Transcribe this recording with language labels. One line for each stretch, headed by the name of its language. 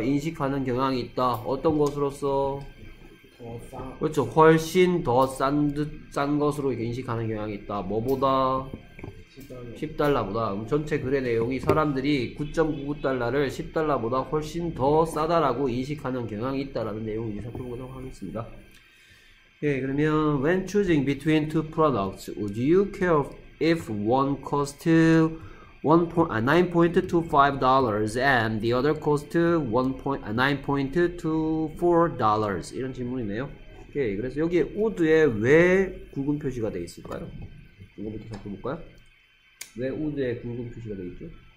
Korean: 인식하는 경향이 있다. 어떤 것으로서? 그렇죠. 훨씬 더싼 것으로 인식하는 경향이 있다. 뭐보다? 진짜. 10달러보다 전체 글의 내용이 사람들이 9.99달러를 10달러보다 훨씬 더 싸다라고 인식하는 경향이 있다라는 내용을 이 작품으로 하겠습니다. 예, 그러면
English: when choosing between two products, would you care if one cost $9.25 and the other cost $9.24?
Korean: 이런 질문이네요. 예, 그래서 여기에 would에 왜 굵은 표시가 되어 있을까요? 이거부터 살펴볼까요? 왜 우드에 굵은 표시가 되어 있죠?